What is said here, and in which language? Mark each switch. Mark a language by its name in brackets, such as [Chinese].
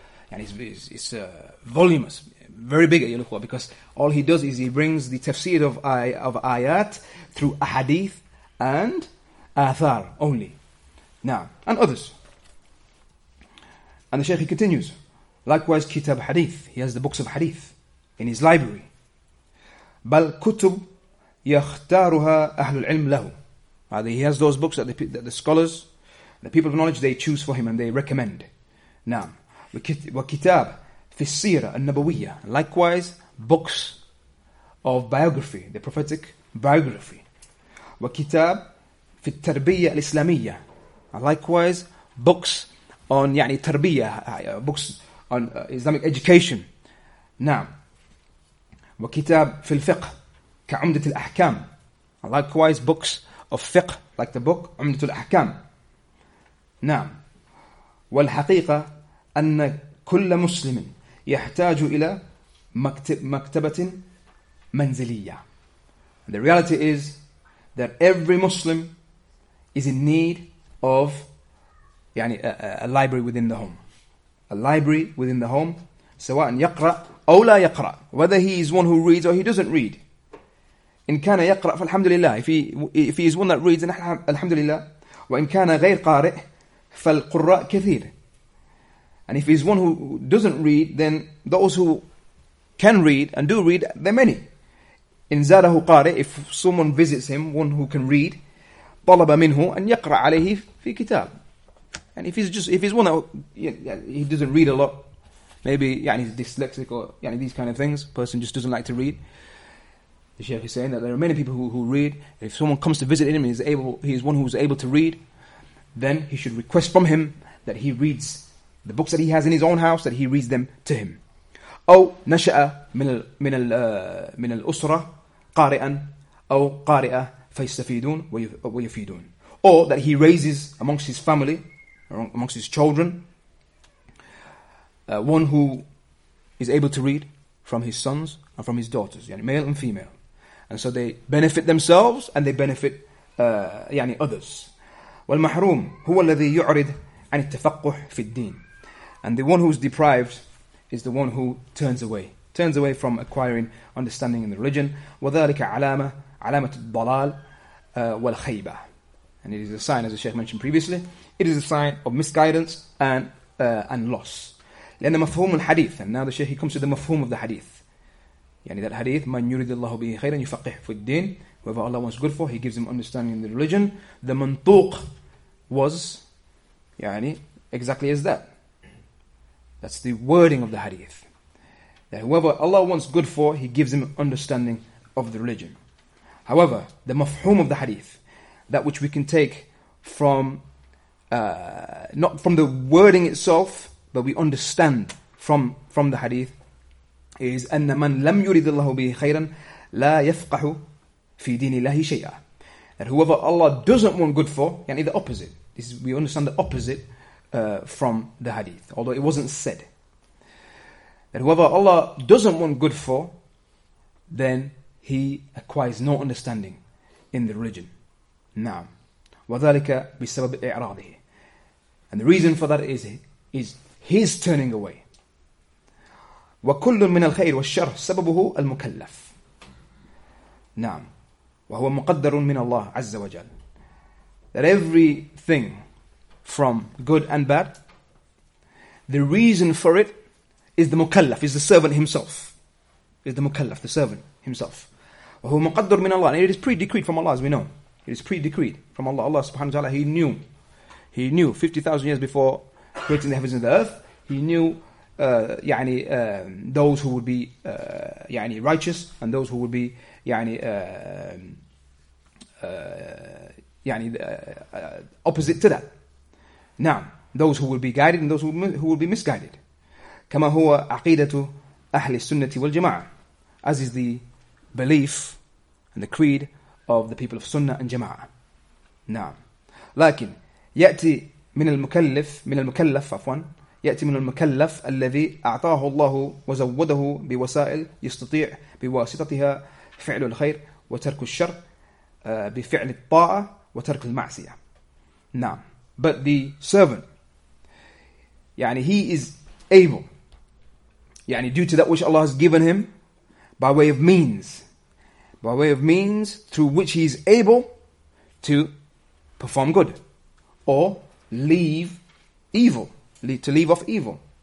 [English] And it's voluminous, very big at Yalukhwa, because all he does is he brings the tafsir of ayat through ahadith and athar only. Now, and others. And the Shaykh, he continues. Likewise, kitab hadith. He has the books of hadith in his library. [Arabic] بل كتب يختارها أهل العلم له. [English] He has those books that the scholars, the people of knowledge, they choose for him and they recommend. [Arabic] نعم. وكتاب في السيرة النبوية. [English] Likewise, books of biography, the prophetic biography. [Arabic] وكتاب في التربية الإسلامية. [English] Likewise, books on [Arabic] يعني تربية, [English] books on Islamic education. نعم. [Arabic] وكتاب في الفقه كعمدة الأحكام. [English] Likewise, books of fiqh, like the book عمدة الأحكام. نعم. [Arabic] والحقيقة أن كل مسلم يحتاج إلى مكتبة منزلية. [English] And the reality is that every Muslim is in need of يعني a library within the home. A library within the home, [Arabic] سواء يقرأ أو لا يقرأ. [English] Whether he is one who reads or he doesn't read. [Arabic] إن كان يقرأ فالحمد لله. [English] If he is one that reads, then [Arabic] الحمد لله. وإن كان غير قارئ فالقراء كثير. [English] And if he is one who doesn't read, then those who can read and do read, they're many. [Arabic] إن زاره قارئ, [English] if someone visits him, one who can read, [Arabic] طلب منه أن يقرأ عليه في كتاب. [English] And if he's one that he doesn't read a lot, maybe يعني he's dyslexic or يعني these kind of things, person just doesn't like to read. The Sheikh is saying that there are many people who read. If someone comes to visit him and he is one who is able to read, then he should request from him that he reads the books that he has in his own house, that he reads them to him. [Arabic] أو نشأ من الأسرة قارئا أو قارئة فيستفيدون ويفيدون. [English] Or that he raises amongst his family, amongst his children, one who is able to read from his sons and from his daughters, يعني male and female. And so they benefit themselves and they benefit يعني others. [Arabic] والمحروم هو الذي يعرض عن التفقه في الدين. [English] And the one who is deprived is the one who turns away from acquiring understanding in the religion. [Arabic] وذلك علامة الضلال والخيبة. [English] And it is a sign, as the Sheikh mentioned previously, it is a sign of misguidance and loss. [Arabic] لأن مفهوم الحديث. [English] And now the Sheikh, he comes to the مفهوم of the hadith. يعني that hadith, [Arabic] من يريد الله به خيرا يفقه في الدين. [English] Whoever Allah wants good for, he gives him understanding in the religion. The منطوق was يعني exactly as that. That's the wording of the hadith. That whoever Allah wants good for, he gives him understanding of the religion. However, the مفهوم of the hadith, that which we can take from, not from the wording itself, but we understand from the hadith, is [Arabic] أن من لم يرد الله به خيرا لا يفقه في دين الله شيئا. [English] That whoever Allah doesn't want good for, يعني the opposite. This is, we understand the opposite from the hadith, although it wasn't said. That whoever Allah doesn't want good for, then he acquires no understanding in the religion. [Arabic] نعم. وذلك بسبب إعراضه. [English] And the reason for that is his turning away. [Arabic] وكل من الخير والشر سببه المكلف. نعم. وهو مقدر من الله عز وجل. [English] That everything from good and bad, the reason for it is the mukallaf, is the servant himself. Is the mukallaf, the servant himself. [Arabic] وهو مقدر من الله. [English] And it is pre-decreed from Allah, as we know. It is pre-decreed from Allah. Allah subhanahu wa ta'ala, He knew. He knew 50,000 years before creating the heavens and the earth, He knew those who would be يعني righteous and those who would be opposite to that. Now, those who will be guided and those who will be misguided. [Arabic] كما هو عقيدة أهل السنة والجماعة. [English] As is the belief and the creed of the people of Sunnah and Jama'ah. [Arabic] Now, لكن يأتي من المكلف يأتي من المكلف الذي أعطاه الله وزوده بوسائل يستطيع بواسطتها فعل الخير وترك الشر بفعل الطاعة وترك المعصية. نعم. [English] But the servant, يعني he is able, يعني due to that which Allah has given him by way of means through which he is able to perform good or leave evil. To leave off evil.